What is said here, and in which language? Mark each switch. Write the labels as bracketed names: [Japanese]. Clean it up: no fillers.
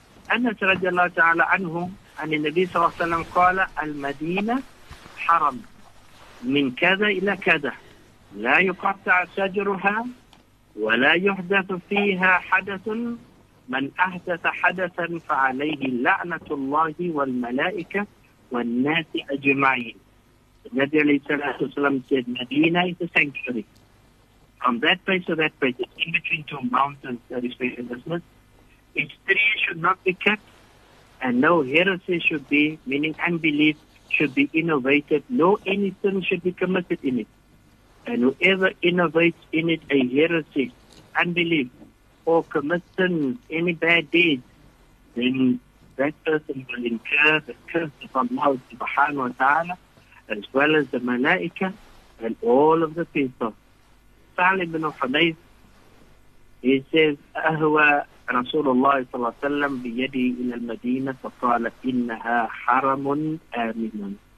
[Arabic] Anas radiallahu ta'ala anhu, أن النبي صلى الله عليه وسلم قال المدينة حرم من كذا إلى كذا لا يقطع شجرها ولا يحدث فيها حدث من أحدث حدثا فعليه لعنة الله والملائكة والناس أجمعين. النبي صلى الله عليه وسلم [English] said [Arabic] مدينة [English] is a sanctuary. From that place to that place, it's in between two mountains that is facing this place. Its tree should not be cut. And no heresy should be, meaning unbelief, should be innovated. No any sin should be committed in it. And whoever innovates in it a heresy, unbelief, or commits sin, any bad deed, then that person will incur the curse of Allah subhanahu wa ta'ala, as well as the malaika and all of the people. [Arabic] Sa'al ibn Hudayf, [English] he says, [Arabic] Ahwa رسول الله صلى الله عليه وسلم بيده إلى المدينة فقال إنها حرم آمن.